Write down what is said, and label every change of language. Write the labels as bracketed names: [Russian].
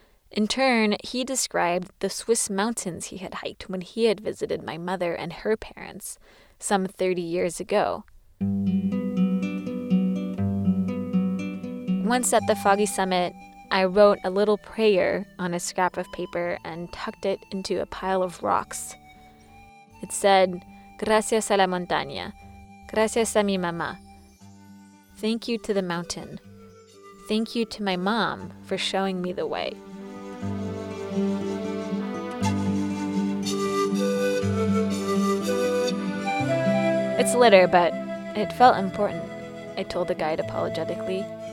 [English] In turn, he described the Swiss mountains he had hiked when he had visited my mother and her parents some 30 years ago. Once at the foggy summit, I wrote a little prayer on a scrap of paper and tucked it into a pile of rocks. [Spanish] It said, "Gracias a la montaña. Gracias a mi mamá. [English] Thank you to the mountain. Thank you to my mom for showing me the way." It's litter, but it felt important, I told the guide apologetically.